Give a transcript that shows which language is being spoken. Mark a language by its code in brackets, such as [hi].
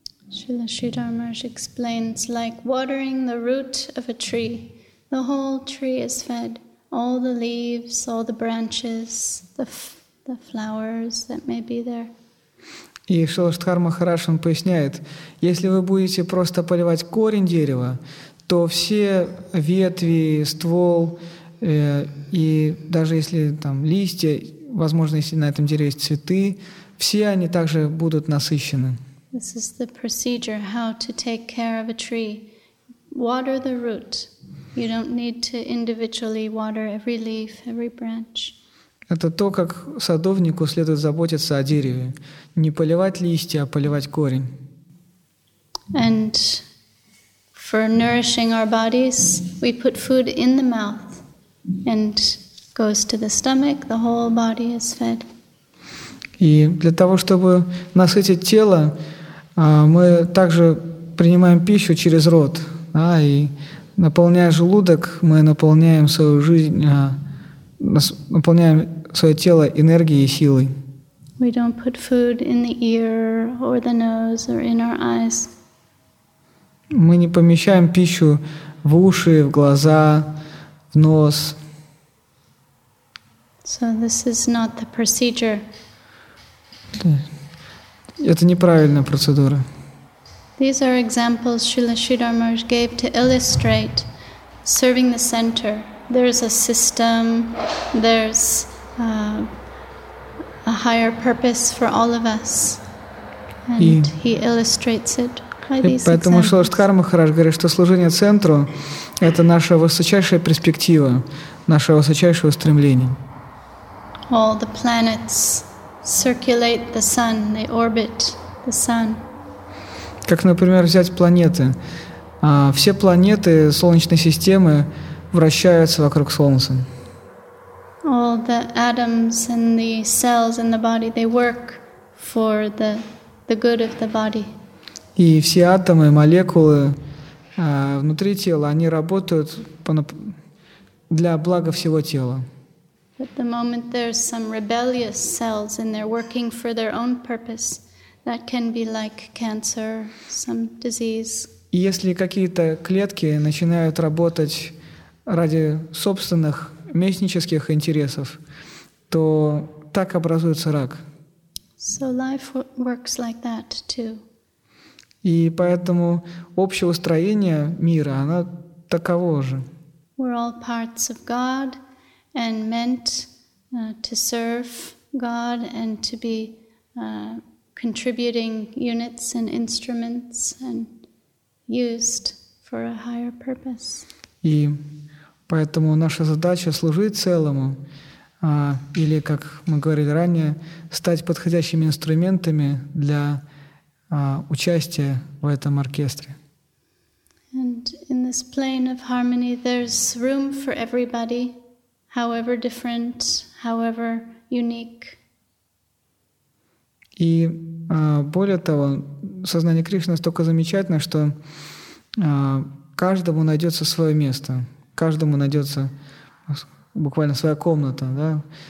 [en] Śrīla Śrīdhara Mahārāja explains, like watering the root of a tree, the whole tree is fed, all the leaves, all the branches, the flowers that may be there. [ru] И Śrīla Śrīdhara Mahārāja поясняет, если вы будете просто поливать корень дерева, то все ветви, ствол и даже если там листья, возможно, если на этом дереве есть цветы, все они также будут насыщены. [en] This is the procedure how to take care of a tree. Water the root. You don't need to individually water every leaf, every branch. [ru] Это то, как садовнику следует заботиться о дереве. Не поливать листья, а поливать корень. [en] And for nourishing our bodies, we put food in the mouth and goes to the stomach, the whole body is fed. [ru] И для того, чтобы насытить тело, мы также принимаем пищу через рот, да, и наполняя желудок, мы наполняем свою жизнь, наполняем свое тело энергией и силой. [en] We don't put food in the ear or the nose or in our eyes. [ru] Мы не помещаем пищу в уши, в глаза, в нос. [en] So this is not the procedure. [ru] Это неправильная процедура. [en] These are examples Śrīla Śrīdhara Mahārāja gave to illustrate serving the center. There's a system, there's a higher purpose for all of us. And he illustrates it. [ru] Поэтому Шилаштхарма Махарадж говорит, что служение центру – это наша высочайшая перспектива, наше высочайшее устремление. [en] All the planets circulate the sun, they orbit the sun. [ru] Как, например, взять планеты. Все планеты Солнечной системы вращаются вокруг Солнца. [en] All the atoms and the cells in the body, they work for the good of the body. [ru] И все атомы, молекулы внутри тела, они работают для блага всего тела. [en] At the moment there's some rebellious cells and they're working for their own purpose, that can be like cancer, some disease. [ru] И если какие-то клетки начинают работать ради собственных местнических интересов, то так образуется рак. [en] So life works like that too. [ru] И поэтому общее устроение мира, оно таково же. [en] We're all parts of God and meant to serve God and to be contributing units and instruments and used for a higher purpose. [ru] И поэтому наша задача служить целому, или, как мы говорили ранее, стать подходящими инструментами для участия в этом оркестре. [en] And in this plane of harmony, there's room for everybody, however different, however unique. [ru] И более того, сознание Кришны настолько замечательно, что каждому найдется свое место. Каждому найдется буквально своя комната, да?